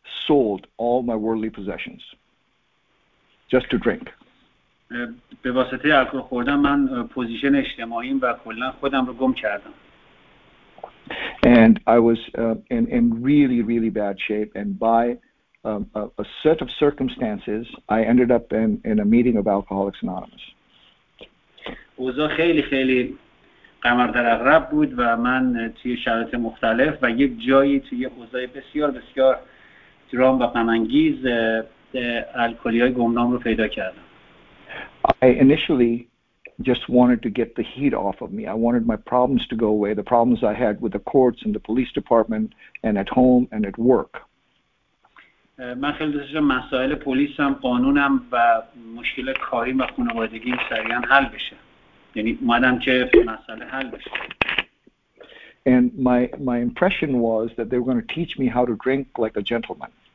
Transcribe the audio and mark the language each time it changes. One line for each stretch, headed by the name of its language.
English: sold all my worldly possessions just to drink.
Persian: به واسطه الکل خوردن من پوزیشن اجتماعیم و کلا خودم رو گم کردم.
English: And I was in really, really bad shape. And by a set of circumstances, I ended up in a meeting of Alcoholics Anonymous.
Persian: اوضاع خیلی خیلی قمر در عقرب بود و من توی شرایط مختلف و یک جایی توی اوضاع بسیار بسیار درام و غم‌انگیز الکلی‌های گمنام رو پیدا کردم.
English: I initially just wanted to get the heat off of me. I wanted my problems to go away, the problems I had with the courts and the police department and at home and at work.
Persian: من خیلی دوست داشتم مسائل پلیسم، قانونم و مشکل کاریم و خانوادگیم سریعا حل بشه. یعنی اومدم که مسائل حل بشه.
English: And my impression was that they were going to teach me how to drink like a gentleman.